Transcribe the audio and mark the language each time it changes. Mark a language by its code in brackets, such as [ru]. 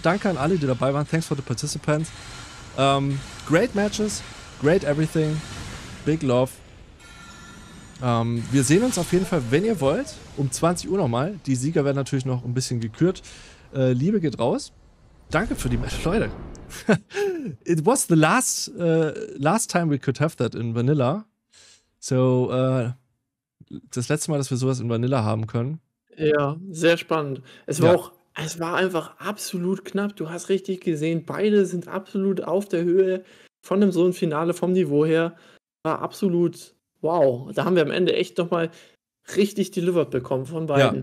[de] Danke an alle, die dabei waren. [en] Thanks for the participants. Great matches. Great everything. Big love. [de] Wir sehen uns auf jeden Fall, wenn ihr wollt, um 20 Uhr nochmal. Die Sieger werden natürlich noch ein bisschen gekürt. Liebe geht raus. Danke für die Match, Leute. [en] It was the last time we could have that in Vanilla. [de] So, das letzte Mal, dass wir sowas in Vanilla haben können. Ja, sehr spannend. Es war einfach absolut knapp. Du hast richtig gesehen, beide sind absolut auf der Höhe von dem so ein Finale, vom Niveau her. War absolut wow. Da haben wir am Ende echt nochmal richtig delivered bekommen von beiden.